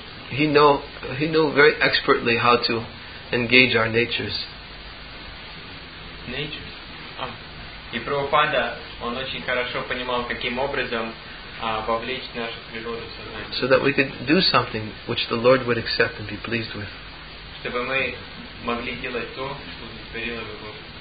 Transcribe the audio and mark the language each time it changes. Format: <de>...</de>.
<en>He knew very expertly how to engage our natures. Natures.</en> <ru>И Прабхупада, он очень хорошо понимал, каким образом вовлечь нашу природу в сознание.</ru> <en>So that we could do something which the Lord would accept and be pleased with.</en> <ru>Чтобы мы могли делать то, что удовлетворило бы Бога.</ru>